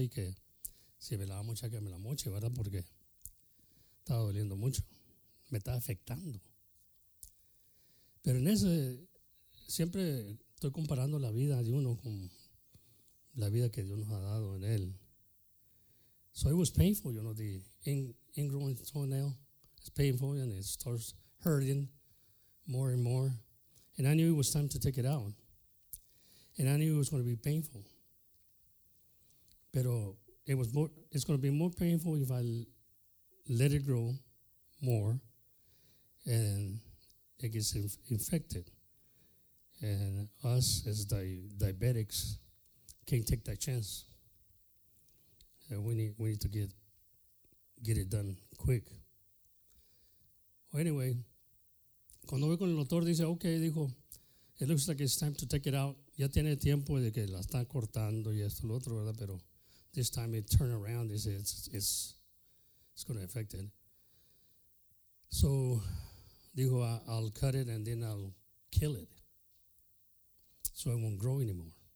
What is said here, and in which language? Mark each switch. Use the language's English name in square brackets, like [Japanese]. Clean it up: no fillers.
[Spanish] Y que si me la va a mochar, que me la moche, ¿verdad? Porque estaba doliendo mucho. Me está afectando. Pero en ese, siempre estoy comparando la vida de uno con la vida que Dios nos ha dado en él. [English] So it was painful, you know, the ingrowing toenail. It's painful and it starts hurting more and more. And I knew it was time to take it out. And I knew it was going to be painful. Pero it was more, it's going to be more painful if I let it grow more. And it gets infected. And us as diabetics can't take that chance. And we need to get it done quick. Well, anyway, [Spanish] cuando voy con el doctor, dice, [English] okay, dijo, it looks like it's time to take it out. [Spanish] Ya tiene tiempo de que la están cortando y esto, lo otro, ¿verdad? [English] Pero this time it turned around. He said, it's going to affect it. So, dijo, I'll cut it and then I'll kill it so it won't grow anymore.